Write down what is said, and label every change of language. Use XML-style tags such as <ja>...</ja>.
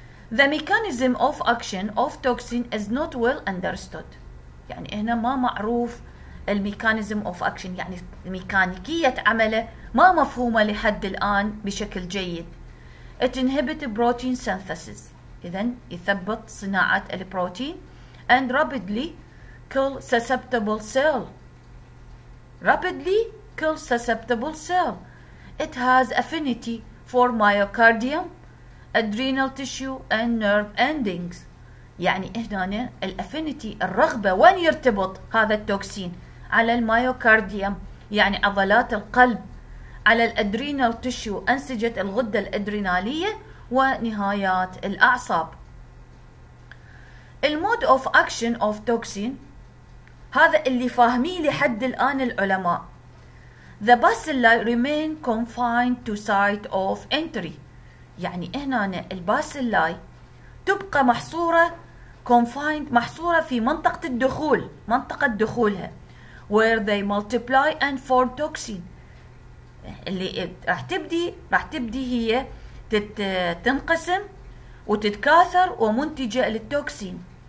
<en>The mechanism of action of toxin is not well understood.</en> <ar>يعني هنا ما معروف الميكانيزم اوف اكشن, يعني ميكانيكية عمله ما مفهومة لحد الآن بشكل جيد.</ar> <en>It inhibits protein synthesis.</en> <ar>إذن يثبط صناعة البروتين.</ar> <en>And rapidly kill susceptible cell. Rapidly kill susceptible cell. It has affinity for myocardium, adrenal tissue and nerve endings.</en> <ar>يعني هنا الافينيتي الرغبة وين يرتبط هذا التوكسين على المايوكارديوم يعني عضلات القلب، على الأدرينال تيشو أنسجة الغدة الأدرينالية ونهايات الأعصاب. المود أوف أكشن أوف توكسين هذا اللي فاهميه لحد الآن العلماء.</ar> <en>The bacilli remain confined to site of entry.</en> <ar>يعني هنا الباسيلاي تبقى محصورة confined محصورة في منطقة الدخول، منطقة دخولها.</ar> <en>Where they multiply and form toxin.</en> <ar>اللي راح تبدي هي تنقسم وتتكاثر ومنتجة للتوكسين.</ar>